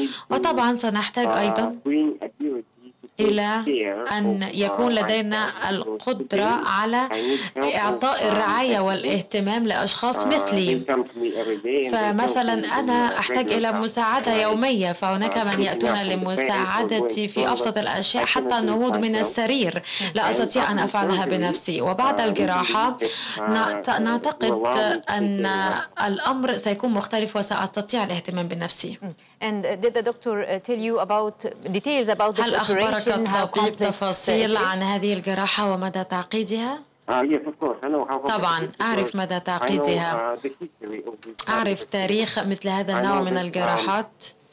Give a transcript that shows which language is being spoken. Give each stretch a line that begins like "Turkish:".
Arabic: وطبعا سنحتاج أيضا إلى أن يكون لدينا القدرة على إعطاء الرعاية والاهتمام لأشخاص مثلي، فمثلا أنا أحتاج إلى مساعدة يومية، فهناك من يأتون لمساعدتي في أبسط الأشياء حتى النهوض من السرير، لا أستطيع أن أفعلها بنفسي. وبعد الجراحة نعتقد أن الأمر سيكون مختلف وسأستطيع الاهتمام بنفسي.
English: And did the doctor tell you about details about this operation?
Arabic: هل أخبرك الطبيب تفاصيل عن هذه الجراحة ومدى تعقيدها؟ طبعا أعرف مدى تعقيدها، أعرف تاريخ مثل هذا النوع من الجراحات.